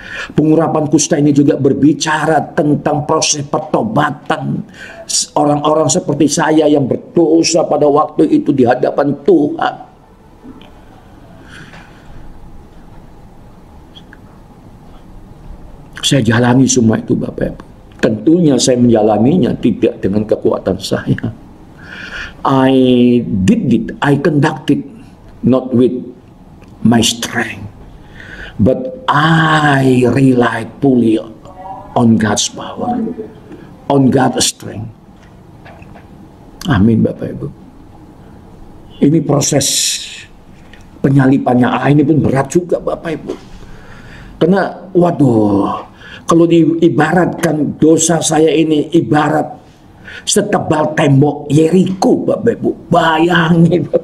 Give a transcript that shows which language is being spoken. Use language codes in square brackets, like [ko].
[id] Pengurapan kusta ini juga berbicara tentang proses pertobatan orang-orang seperti saya yang berdosa pada waktu itu di hadapan Tuhan. Saya jalani semua itu Bapak Ibu. Tentunya saya menjalaninya tidak dengan kekuatan saya. [en] I did it, I conducted not with my strength, but I relied fully on God's power, on God's strength. [id] Amin Bapak Ibu. Ini proses penyalipannya. Ini pun berat juga Bapak Ibu. Karena waduh, kalau diibaratkan dosa saya ini ibarat setebal tembok Yeriko, Bapak Ibu. Bayangin.